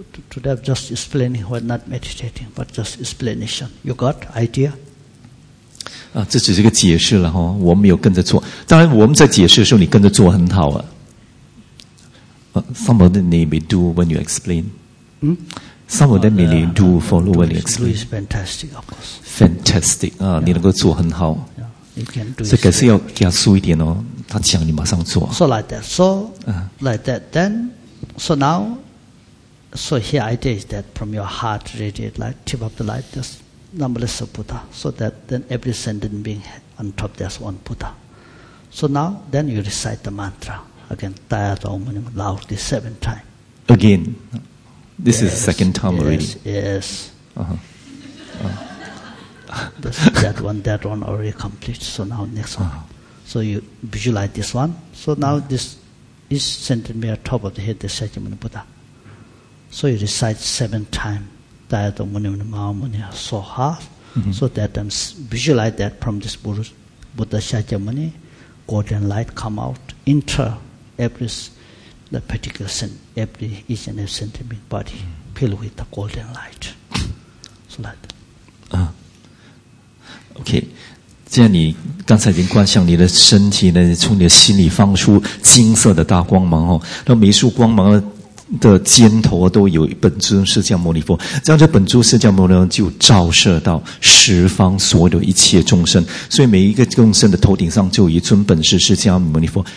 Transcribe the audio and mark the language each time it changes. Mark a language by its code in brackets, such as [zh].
[en] Today I'm just explaining, we're not meditating, but just explanation. You got idea? [zh] 啊，这只是个解释了哈，我没有跟着做。当然，我们在解释的时候，你跟着做很好啊。 [en] Some of them they may do when you explain. Some of them may do follow when you explain. Do is fantastic, of course. [zh] Fantastic 啊，你能够做很好。这个是要加速一点哦，他讲你马上做。 [en] So like that. So like that. Then, so now. So here idea is that from your heart radiate light, tip of the light, there's numberless of Buddha. So that then every sentient being on top there's one Buddha. So now, then you recite the mantra. Again, Tayata Om Manim, loudly 7 times. Again? This is the second time already. Yes. That one already complete. So now next one. So you visualize this one. So now this is sentient being on top of the head, the Sakyamuni Buddha. So you recite 7 times, Tayata Munim Namah Munia Soha, so that visualize that from this Buddha Shakyamuni, golden light come out, enter every the particular sin, every each and every sentient body, filled with the golden light. So like that. Okay. [zh] 既然你刚才已经观想你的身体呢，从你的心里放出金色的大光芒哦，那每一束光芒的肩头都有本尊释迦牟尼佛，这样这本尊释迦牟尼佛就照射到十方所有的一切众生，所以每一个众生的头顶上就有一尊本是释迦牟尼佛。